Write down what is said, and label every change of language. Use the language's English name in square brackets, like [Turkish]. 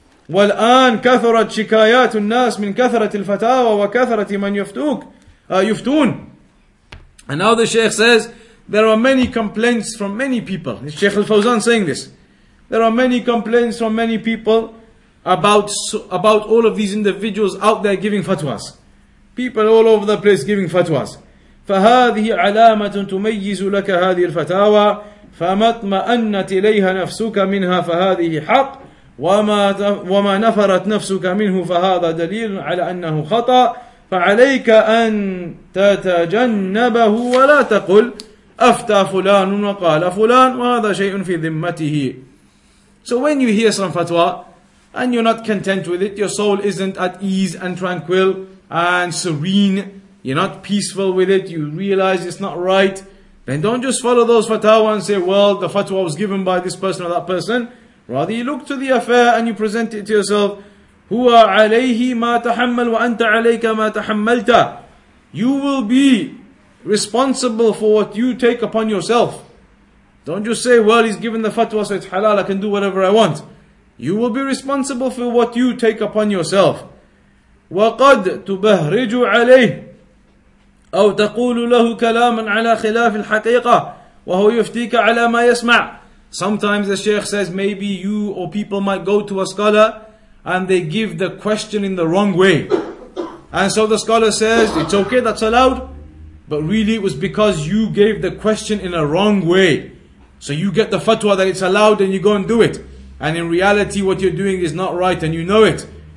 [Arabic] وَالْآنْ كَثَرَتْ شِكَايَاتُ النَّاسِ مِنْ كَثَرَةِ الْفَتَاوَى وَكَثَرَةِ مَنْ يُفْتُونَ. [English] And now the Shaykh says, there are many complaints from many people. It's Shaykh Al-Fawzan saying this. There are many complaints from many people about all of these individuals out there giving fatwas. People all over the place giving fatwas. [Arabic] فهذه علامة تميز لك هذه الفتاوى فمطمأنت إليها نفسك منها فهذه حق وما نفرت نفسك منه فهذا دليل على أنه خطأ فعليك أن تتجنبه ولا تقل أفتى فلان وقال فلان وهذا شيء في ذمته. [English] So when you hear some fatwa and you're not content with it, your soul isn't at ease and tranquil and serene, you're not peaceful with it, you realize it's not right, then don't just follow those fatwa and say, well, the fatwa was given by this person or that person. Rather, you look to the affair and you present it to yourself. [Arabic] هُوَ عَلَيْهِ مَا تَحَمَّلْ وَأَنْتَ عَلَيْكَ مَا تَحَمَّلْتَ. [English] You will be responsible for what you take upon yourself. Don't just say, well, he's given the fatwa, so it's halal, I can do whatever I want. You will be responsible for what you take upon yourself. [Arabic] وَقَدْ تُبَهْرِجُ عَلَيْهِ أو تقول له كلاما على خلاف الحقيقة وهو يفتيك على ما يسمع. [English] Sometimes the Shaykh says, maybe you or people might go to a scholar and they give the question in the wrong way. And so the scholar says, it's okay, that's allowed. But really it was because you gave the question in a wrong way. So you get the fatwa that it's allowed and you go and do it. And in reality what you're doing is not right and you know it.